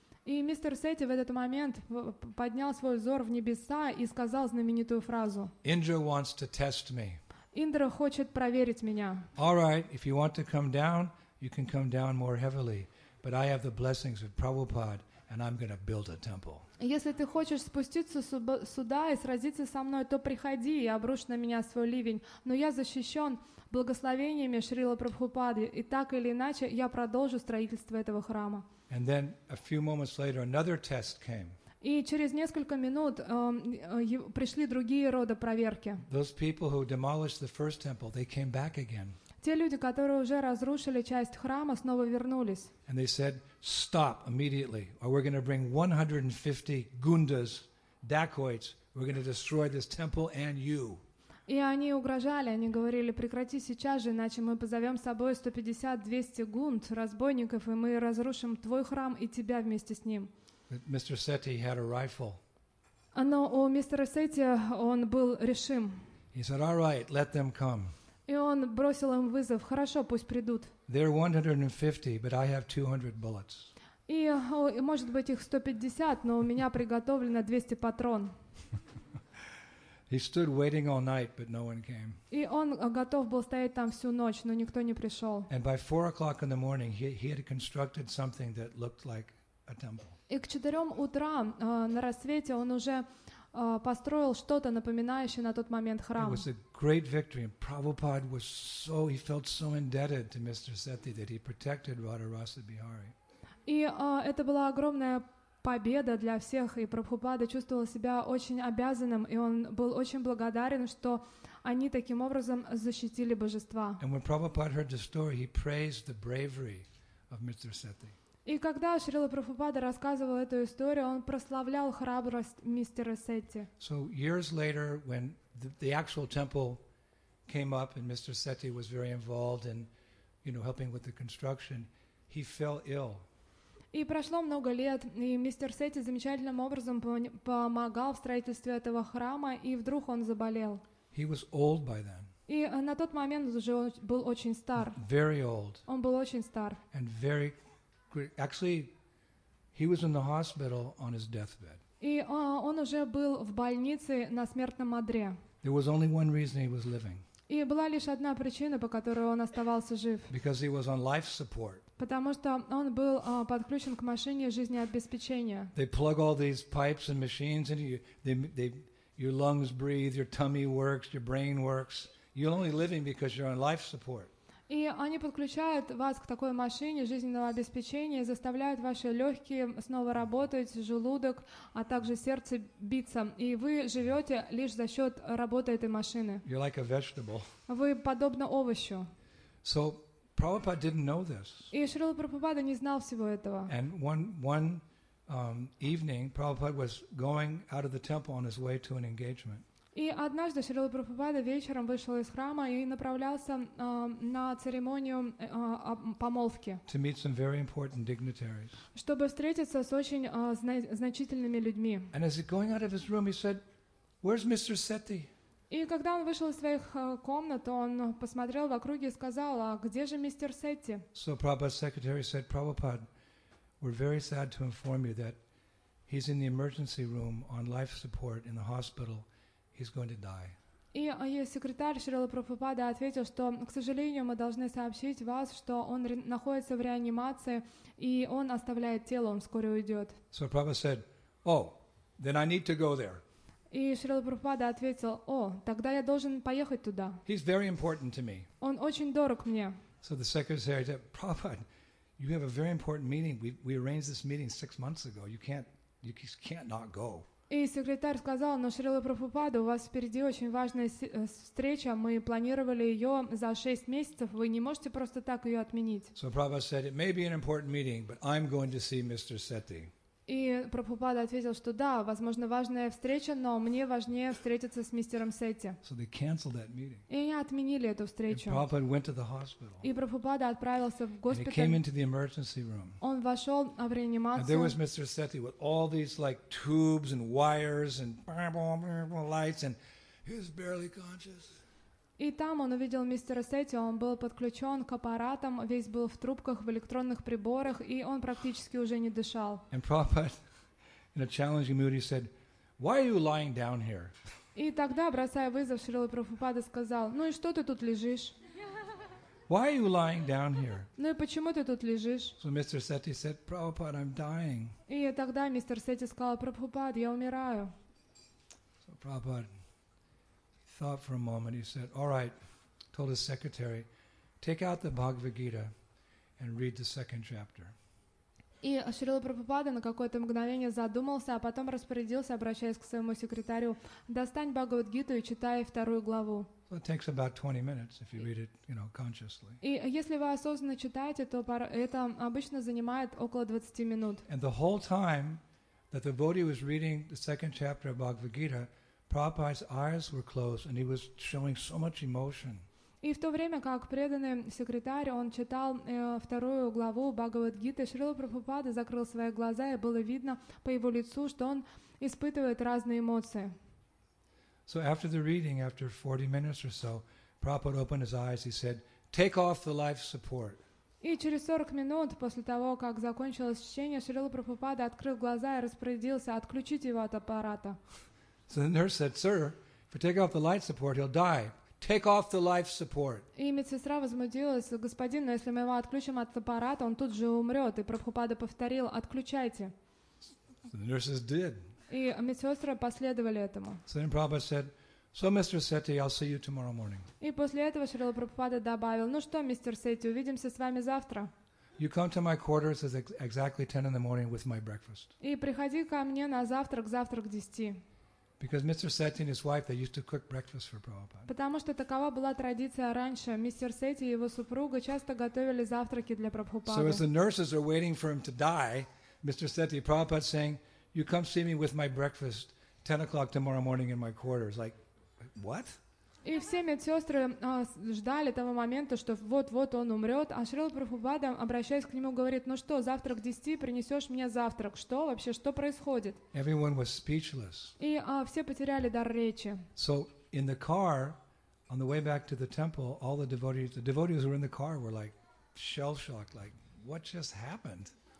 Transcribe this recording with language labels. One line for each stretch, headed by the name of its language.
Russian: И мистер Сети в этот момент поднял свой взор в небеса и сказал знаменитую фразу.
English: Indra wants to test me.
Russian: Индра хочет проверить меня.
English: All right, if you want to come down, you can come down more heavily, but I have the blessings of Prabhupada, and I'm going to build a temple.
Russian: Если ты хочешь спуститься сюда и сразиться со мной, то приходи и обрушь на меня свой ливень. Но я защищен благословениями Шрилы Прабхупады, и так или иначе я продолжу строительство этого храма.
English: And then a few moments later, another test came.
Russian: И через несколько минут пришли другие рода проверки.
English: Those people who demolished the first temple, they came back again.
Russian: Те люди, которые уже разрушили часть храма, снова вернулись.
English: And they said, "Stop immediately, or we're going to bring 150 gundas, dacoits. We're going to destroy this temple and you."
Russian: И они угрожали, они говорили: "Прекрати сейчас же, иначе мы позовем с собой 150-200 гунд, разбойников, и мы разрушим твой храм и тебя вместе с ним."
English: But Mr. Sethi had a rifle.
Russian: Но у мистера Сети он был решим.
English: He said, "All right, let them come."
Russian: И он бросил им вызов: "Хорошо, пусть придут."
English: They're 150, but I have 200 bullets.
Russian: И может быть их 150, но у меня приготовлено 200 патрон.
English: He stood waiting all night, but no one came.
Russian: И он готов был стоять там всю ночь, но никто не пришел.
English: And by 4 o'clock in the morning, he had constructed something that looked like a temple.
Russian: И к 4 утра на рассвете он уже построил что-то напоминающее на тот момент храм.
English: It was a great victory, and Prabhupada was so, he felt so indebted to Mr. Sethi that he protected Radharasa Bihari.
Russian: И это была огромная победа для всех, и Прабхупада чувствовал себя очень обязанным, и он был очень благодарен, что они таким образом защитили божества.
English: And when Prabhupada heard the story, he praised the bravery of Mr. Sethi.
Russian: И когда Шрила Прабхупада рассказывал эту историю, он прославлял храбрость мистера Сети.
English: So years later, when the actual temple came up and Mr. Sethi was very involved in, you know, helping with the construction, he fell ill.
Russian: И прошло много лет, и мистер Сети замечательным образом помогал в строительстве этого храма, и вдруг он заболел.
English: He was old by then.
Russian: И на тот момент уже был очень стар.
English: Very old.
Russian: Он был очень стар.
English: And very, actually, he was in the hospital on his deathbed.
Russian: И он уже был в больнице на смертном одре.
English: There was only one reason he was living.
Russian: И была лишь одна причина, по которой он оставался жив.
English: Because he was on life support.
Russian: Потому что он был подключен к машине жизнеобеспечения.
English: They plug all these pipes and machines into you. Your lungs breathe, your tummy works, your brain works. You're only living because you're on life support.
Russian: И они подключают вас к такой машине жизненного обеспечения, заставляют ваши легкие снова работать, желудок, а также сердце биться. И вы живете лишь за счет работы этой машины.
English: You're like a vegetable.
Russian: Вы подобно овощу.
English: So, Prabhupada didn't know this.
Russian: И Шрила Прабхупада не знал всего этого.
English: And one evening, Prabhupada was going out of the temple on his way to an engagement.
Russian: И однажды Шрила Прабхупада вечером вышел из храма и направлялся на церемонию помолвки.
English: To meet some very important dignitaries.
Russian: Чтобы встретиться с очень значительными людьми.
English: And as he's going out of his room, he said, "Where's Mr. Sethi?"
Russian: И когда он вышел из своих комнат, он посмотрел вокруг и сказал: "А где же мистер Сетти?"
English: So Prabhupada's secretary said, "Prabhupada, we're very sad to inform you that he's in the emergency room on life support in the hospital. He's going to die."
Russian: И секретарь Шрилы Прабхупады ответил, что, к сожалению, мы должны сообщить вас, что он находится в реанимации и он оставляет тело, он скоро уйдет.
English: So Prabhupada said, "Oh, then I need to go there."
Russian: И Шрила Прабхупада ответил: "О, тогда я должен поехать туда.
English: He's very important to me."
Russian: Он очень дорог мне.
English: So the secretary said, "Prabhupada, you have a very important meeting. We arranged this meeting 6 months ago. You just can't not go."
Russian: И секретарь сказал: "Но Шрила Прабхупада, у вас впереди очень важная встреча. Мы планировали ее за 6 месяцев. Вы не можете просто так ее отменить."
English: So Prabhupada said, "It may be an important meeting, but I'm going to see Mr. Sethi."
Russian: И Прабхупада ответил, что да, возможно, важная встреча, но мне важнее встретиться с мистером Сетти.
English: So they canceled that meeting.
Russian: И они отменили эту встречу.
English: And Prabhupada went to the hospital.
Russian: И Прабхупада отправился в госпиталь.
English: And he came into the emergency room.
Russian: Он вошел в реанимацию.
English: And there was Mr. Sethi with all these like tubes and wires and lights, and he was barely conscious.
Russian: И там он увидел мистера Сетти, он был подключен к аппаратам, весь был в трубках, в электронных приборах, и он практически уже не дышал.
English: And Prabhupada, in a challenging mood, he said, "Why are you lying down here?"
Russian: И тогда, бросая вызов, Шрила Прабхупада сказал: "Ну и что ты тут лежишь?"
English: "Why are you lying down here?"
Russian: "Ну и почему ты тут лежишь?"
English: So Mr. Sethi said, "Prabhupada, I'm dying."
Russian: И тогда мистер Сетти сказал: "Прабхупада, я умираю."
English: So Prabhupada thought for a moment, he said, "All right," told his secretary, "take out the Bhagavad Gita and read the second chapter."
Russian: И Шрила Прабхупада на какое-то мгновение задумался, а потом распорядился, обращаясь к своему секретарю: "Достань Бхагавад Гиту и читай вторую главу."
English: So it takes about 20 minutes if you read it, you know, consciously.
Russian: И если вы осознанно читаете, то это обычно занимает около 20 минут.
English: And the whole time that the devotee was reading the second chapter of Bhagavad Gita, Prabhupada's eyes were closed and he was showing so much emotion.
Russian: И в то время, как преданный секретарь, он читал вторую главу Бхагавад-гиты, Шрила Прабхупада закрыл свои глаза, и было видно по его лицу, что он испытывает разные эмоции.
English: So after the reading, after 40 minutes or so, Prabhupada opened his eyes, he said, "Take off the life support."
Russian: И через 40 минут после того, как закончилось чтение, Шрила Прабхупада открыл глаза и распорядился отключить его от аппарата.
English: So the nurse said, "Sir, if you take off the life support, he'll die. Take off the life support."
Russian: И медсестра возмутилась: "Господин, но если мы его отключим от аппарата, он тут же умрет." И Прабхупада повторил: "Отключайте."
English: So the nurses did.
Russian: И медсестры последовали этому.
English: So then Prabhupada said, "So, Mr. Sethi, I'll see you tomorrow morning."
Russian: И после этого Шрила Прабхупада добавил: "Ну что, мистер Сетти, увидимся с вами завтра."
English: "You come to my quarters at exactly 10 in the morning with my breakfast."
Russian: И приходи ко мне на завтрак 10.
English: Because Mr. Sethi and his wife, they used to cook breakfast for Prabhupada.
Russian: Потому что такова была традиция раньше. Мистер Сетти и его супруга часто готовили завтраки для Прабхупады.
English: So as the nurses are waiting for him to die, Mr. Sethi, Prabhupada saying, "You come see me with my breakfast 10 o'clock tomorrow morning in my quarters." Like, what?
Russian: И все медсестры ждали того момента, что вот-вот он умрет. А Шрила Прабхупада, обращаясь к нему, говорит: «Ну что, завтра к 10 принесешь мне завтрак? Что вообще, что происходит?»
English: Everyone was speechless.
Russian: И все потеряли дар речи.
English: So in the car, on the way back to the temple, all the devotees who were in the car were like shell-shocked, like, what just happened?